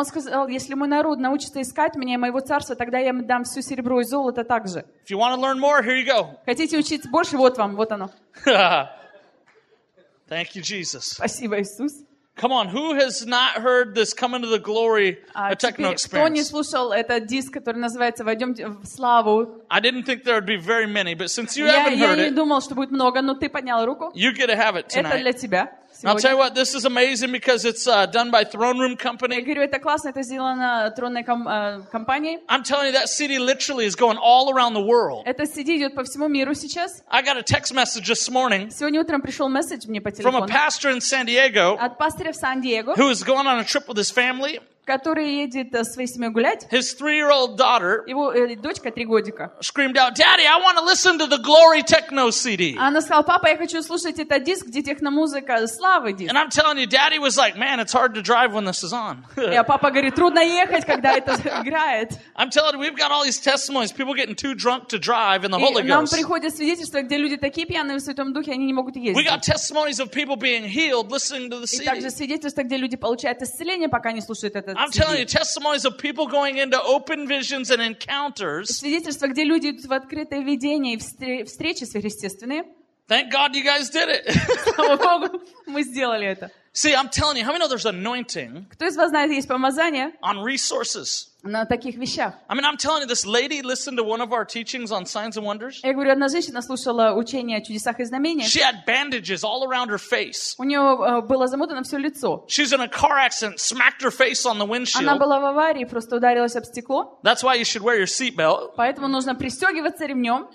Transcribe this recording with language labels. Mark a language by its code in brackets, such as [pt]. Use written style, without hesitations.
[ru] Он сказал, если мой народ научится искать меня и моего царства, тогда я им дам все серебро и золото также. [en] If you want to learn more, here you go. [ru] Хотите учиться больше, вот вам, вот оно. [en] Thank you, Jesus. [ru] Спасибо, Иисус. [en] Come on, who has not heard this come into the glory a techno experience? [ru] Кто не слушал этот диск, который называется «Войдем в славу»? [en] I didn't think there would be very many, but since you haven't heard it, [ru] я не думал, что будет много, но ты поднял руку. [en] You get to have it tonight. [ru] Это для тебя. [en] I'll tell you what, this is amazing because it's done by Throne Room Company. [ru] Я говорю, это классно, это сделано тронной компанией. [en] I'm telling you, that CD literally is going all around the world. [ru] Это CD идет по всему миру сейчас. [en] I got a text message this morning. [ru] Сегодня утром пришел месседж мне по телефону. [en] From a pastor in San Diego. [ru] От пастора в Сан-Диего. [en] Who is going on a trip with his family. [ru] Который едет со своей семьей гулять. [en] His 3-year-old daughter. [ru] Его дочка 3 годика. [en] Screamed out, "Daddy, I want to listen to the Glory Techno CD." [ru] Она сказала, папа, я хочу слушать этот диск, где техномузыка славы диск. [en] And I'm telling you, Daddy was like, "Man, it's hard to drive when this is on." [ru] Я папа говорит, трудно ехать, когда это играет. [en] I'm telling you, we've got all these testimonies, people getting too drunk to drive in the Holy Ghost. [ru] И нам приходят свидетельства, где люди такие пьяные в Святом Духе, они не могут ездить. [en] We got testimonies of people being healed listening to the CD. [ru] И также свидетельства, где люди получают исцеление, пока не слушают этот. [en] I'm telling you, testimonies of people going into open visions and encounters. [ru] Свидетельства, где люди идут в открытое видение и встречи сверхъестественные. [en] Thank God you guys did it. [ru] Мы сделали это. [en] See, I'm telling you, how many know there's anointing? [ru] Кто из вас знает, есть помазание? [en] On resources. [ru] На таких вещах. [en] I mean, I'm telling you, this lady listened to one of our teachings on signs and wonders. [ru] Я говорю, одна женщина слушала учение о чудесах и знамениях. [en] She had bandages all around her face. [ru] У нее было замотано все лицо. [en] She's in a car accident, smacked her face on the windshield. [ru] Она была в аварии, просто ударилась об стекло. [en] That's why you should wear your seatbelt. [ru] Поэтому нужно пристегиваться ремнем.